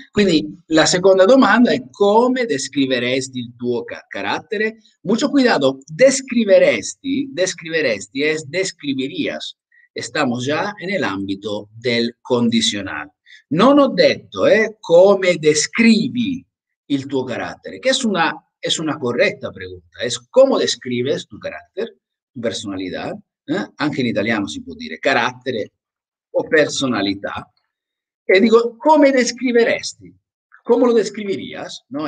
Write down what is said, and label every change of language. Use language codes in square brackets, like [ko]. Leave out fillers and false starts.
[it] Quindi, la seconda domanda è come descriveresti il tuo carattere? [es] Mucho cuidado, descriveresti, describirías. Estamos ya en el ámbito del condizionale. [it] Non ho detto, come descrivi il tuo carattere, che è una corretta pregunta. [es] Es [it] come descrives tu carattere, tu personalità. Anche in italiano si può dire carattere o personalità. E dico, come descriveresti? Come lo descriverías? No?